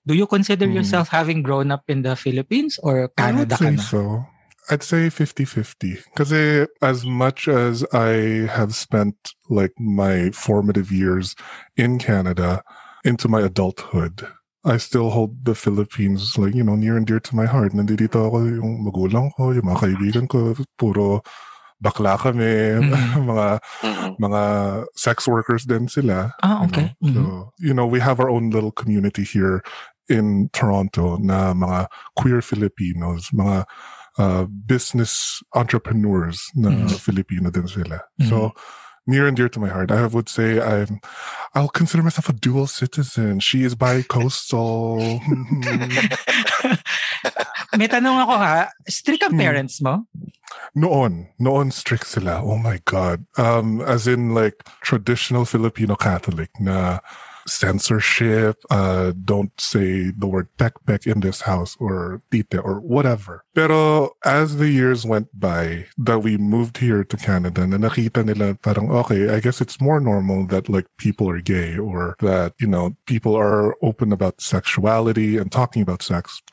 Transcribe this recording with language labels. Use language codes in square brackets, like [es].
[en] Do you consider yourself having grown up in the Philippines or Canada [tl] ka na? [en] I'd say 50-50. [tl] Kasi [en] as much as I have spent like my formative years in Canada into my adulthood, I still hold the Philippines like, you know, near and dear to my heart. [tl] Nandito ako, yung magulang ko, yung mga kaibigan ko, puro bakla kami, mga sex workers din sila. Ah, okay. [en] You know? So, you know, we have our own little community here in Toronto [tl] na mga [en] queer Filipinos, mga business entrepreneurs [tl] na Filipino din sila. [en] So near and dear to my heart, I would say I'll consider myself a dual citizen. She is bi-coastal. [tl] May tanong ako ha, strict ang parents mo? Noon strict sila. Oh my god. [en] As in like traditional Filipino Catholic [tl] na [en] censorship, don't say the word tekpek in this house or tite or whatever. [tl] Pero [en] as the years went by that we moved here to Canada, [tl] na nakita nila parang, [en] okay, I guess it's more normal that like people are gay or that, you know, people are open about sexuality and talking about sex.